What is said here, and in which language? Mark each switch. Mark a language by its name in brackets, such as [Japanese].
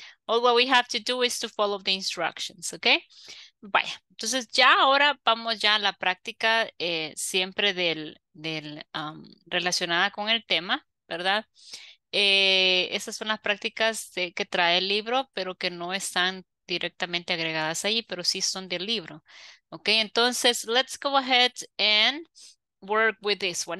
[English] All what we have to do is to follow the instructions, ¿ok? [Spanish] Vaya, entonces ya ahora vamos ya a la práctica siempre relacionada con el tema, ¿verdad? Esas son las prácticas que trae el libro, pero que no están directamente agregadas ahí, pero sí son del libro. [English] Okay, entonces, let's go ahead and work with this one.